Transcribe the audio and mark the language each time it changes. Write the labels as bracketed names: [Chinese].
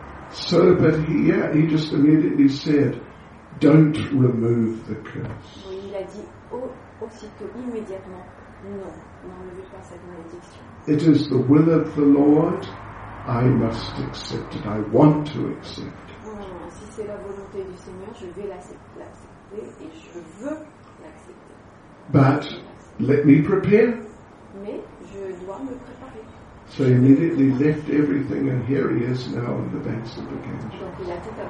[English] So, but he just immediately said, don't remove the curse. [French] Oui, il a dit aussitôt, immédiatement, non, n'enlevez pas cette malédiction. [English] It is the will of the Lord, I must accept it, I want to accept it. [French] Non, non, si c'est la volonté du Seigneur, je vais l'accepter et je veux l'accepter. [English] But, let me prepare. [French] Mais, je dois me préparer. [English] So he immediately left everything and here he is now on the banks of the Ganges.